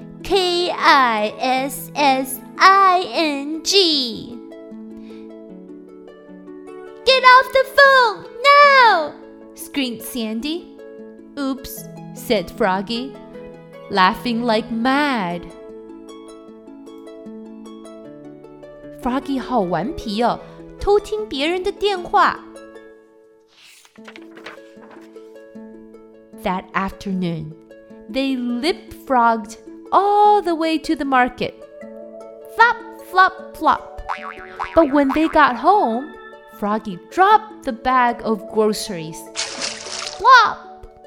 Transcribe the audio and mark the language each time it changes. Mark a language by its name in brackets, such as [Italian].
[English] K-I-S-S-I-N-G. Get off the phone now! Screamed Sandy. Oops, said Froggy, laughing like mad. [Chinese] Froggy 好顽皮哦，偷听别人的电话。 [English] That afternoon, they leapfrogged all the way to the market. Flop, flop, flop. But when they got home, Froggy dropped the bag of groceries. Flop!